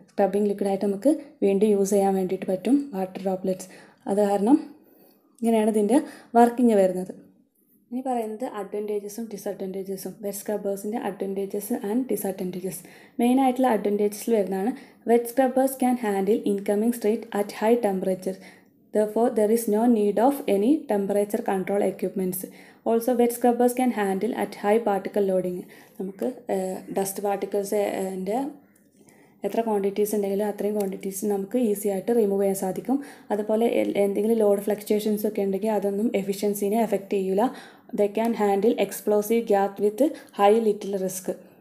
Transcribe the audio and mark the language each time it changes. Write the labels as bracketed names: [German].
[Malayalam] Scrubbing ലിക്വിഡായിട്ട് നമുക്ക് വീണ്ടും use ചെയ്യാൻ വേണ്ടിയിട്ട് പറ്റും വാട്ടർ ഡ്രോപ്ലെറ്റ്സ്. അത് കാരണം ഇങ്ങനെയാണ് ഇതിൻ്റെ വർക്കിംഗ് വരുന്നത്. ഇനി പറയുന്നത് അഡ്വൻറ്റേജസും ഡിസഡ്വൻറ്റേജസും. Wet സ്ക്രബേഴ്സിൻ്റെ advantages and ഡിസഡ്വൻറ്റേജസ്. മെയിൻ ആയിട്ടുള്ള അഡ്വൻറ്റേജസിൽ വരുന്നതാണ് [English] Wet scrubbers can handle incoming stream at high temperature. Therefore, there is no need of any temperature control equipments. Also, wet scrubbers can handle at high particle loading. [Malayalam] നമുക്ക് dust പാർട്ടിക്കിൾസിൻ്റെ എത്ര quantities ഉണ്ടെങ്കിലും അത്രയും quantities നമുക്ക് easy ആയിട്ട് remove ചെയ്യാൻ സാധിക്കും. അതുപോലെ എന്തെങ്കിലും ലോഡ് ഫ്ലക്ച്വേഷൻസ് ഒക്കെ ഉണ്ടെങ്കിൽ അതൊന്നും എഫിഷ്യൻസിനെ എഫക്റ്റ് ചെയ്യില്ല. [English] The can handle explosive gas with high little risk.